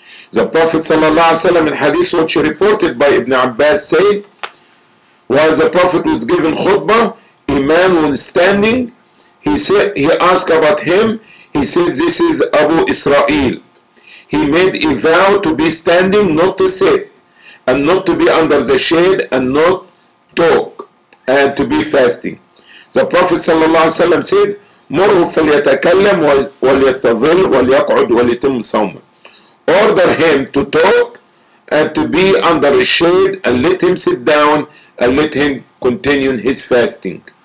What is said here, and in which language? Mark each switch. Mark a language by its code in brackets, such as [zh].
[en] The Prophet صلى الله عليه وسلم in hadith which is reported by Ibn Abbas said, while the Prophet was given khutbah, a man was standing, he asked about him, he said, this is Abu Israel. He made a vow to be standing, not to sit, and not to be under the shade, and not talk, and to be fasting. The Prophet ﷺ said, [ar] مره فليتكلم وليستظل وليقعد وليتم صوم. [en] Order him to talk, and to be under a shade, and let him sit down, and let him continue his fasting.